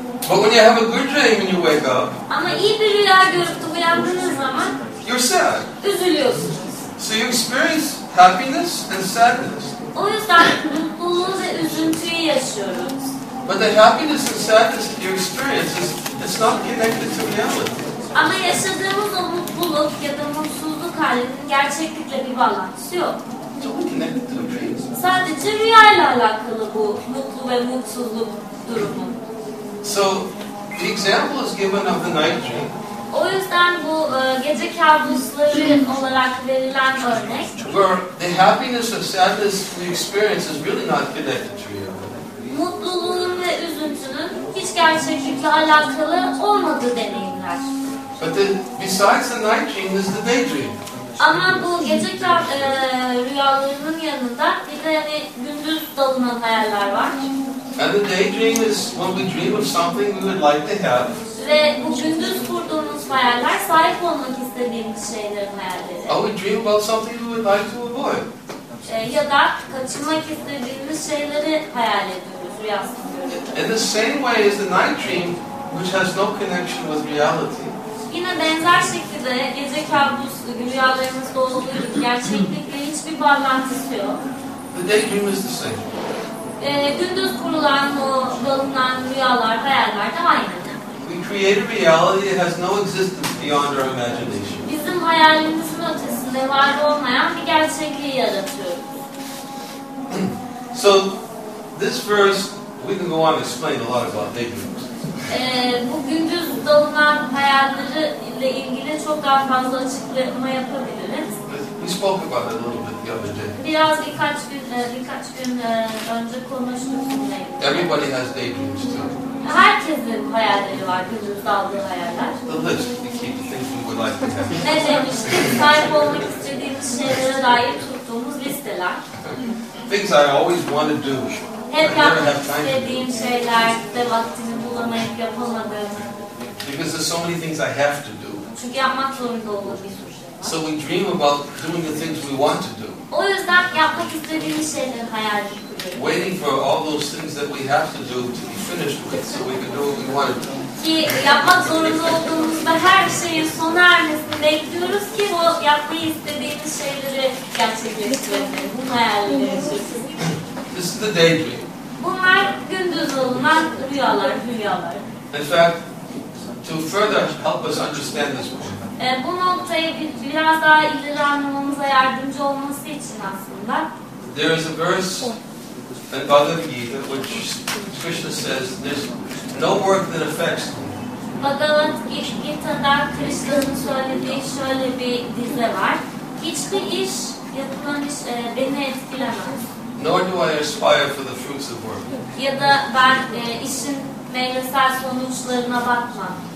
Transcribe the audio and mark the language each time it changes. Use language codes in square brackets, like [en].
[en] But when you have a good dream and you wake up, [tr] ama iyi bir rüya görüp de uyandığınız zaman [en] you're sad. [tr] Üzülüyorsunuz. [en] So you experience happiness and sadness. [tr] O yüzden mutluluğu ve üzüntüyü yaşıyoruz. [en] But the happiness and sadness that you experience is it's not connected to reality. [tr] Ama yaşadığımız o mutluluk ya da mutsuzluk halinin gerçeklikle bir bağlantısı yok. [en] It's only connected to dreams. [tr] Sadece rüyayla alakalı bu mutlu ve mutsuzluk durumu. [en] So the example is given of the night dream. [tr] O yüzden bu gece kabusları olarak verilen örnek. [en] Where the happiness or sadness we experience is really not connected to reality. [tr] Mutluluğun ve üzüntünün hiç gerçeklikle alakalı olmadığı deneyimler. [en] But then, besides the night dream, there's the day dream. [tr] Ama bu gece rüyalarının yanında bir de hani gündüz dalınan hayaller var. [en] And the daydream is when we dream of something we would like to have. [tr] Ve bu gündüz kurduğumuz hayaller sahip olmak istediğimiz şeylerin hayalleri. [en] Or we dream about something we would like to avoid. [tr] Ya da kaçınmak istediğimiz şeyleri hayal ediyoruz, rüyasında. [en] In the same way as the night dream, which has no connection with reality. [tr] Yine benzer şekilde gece kabuslu rüyalarımızda olduğu gibi gerçeklikle hiçbir bağlantısı yok. [en] The daydream is the same. [tr] Gündüz kurulan o dalınan rüyalar, hayaller de aynı. [en] We create a reality that has no existence beyond our imagination. [tr] Bizim hayalimizin ötesinde var olmayan bir gerçekliği yaratıyoruz. [en] So, this verse, we can go on and explain a lot about daydreams. [tr] Bu gündüz dalınan hayalleri ile ilgili çok daha fazla açıklama yapabiliriz. [en] We spoke about it a little bit the other day. [tr] Biraz birkaç gün önce konuşmuştuk. [en] Everybody has daydreams too. [tr] Herkesin hayalleri var, gündüz daldığı hayaller. [en] The list, we keep thinking we'd like to have. [tr] Ne demiştik, sahip olmak istediğimiz şeylere dair tuttuğumuz listeler. [en] Things I always want to do. [tr] Hep yapmak istediğim şeyler ve vaktimi bulamayıp yapamadığım. [en] Because there's so many things I have to do. [tr] Çünkü yapmak zorunda olduğum bir sürü şey var. [en] So we dream about doing the things we want to do. [tr] O yüzden yapmak istediğimiz şeyleri hayal ediyoruz. [en] Waiting for all those things that we have to do to be finished with so we can do what we want to do. [tr] Ki yapmak zorunda olduğumuzda her şeyin sona ermesini bekliyoruz ki o yapmayı istediğimiz şeyleri gerçekleştirelim. Bunu hayal ediyoruz. [en] This is the daydream. [tr] Bunlar gündüz olunan rüyalar. [en] In fact, to further help us understand this point. [tr] Bu noktayı biraz daha ileri anlamamıza yardımcı olması için aslında. [en] There is a verse in Bhagavad Gita which Krishna says there's no work that affects me. [tr] Bhagavad Gita'da Krishna'nın söylediği şöyle bir dize var. Hiçbir iş yapılan iş beni etkilemez. [en] Nor do I aspire for the fruits of work. [tr] Ya da ben işin meyvesel sonuçlarına bakmam.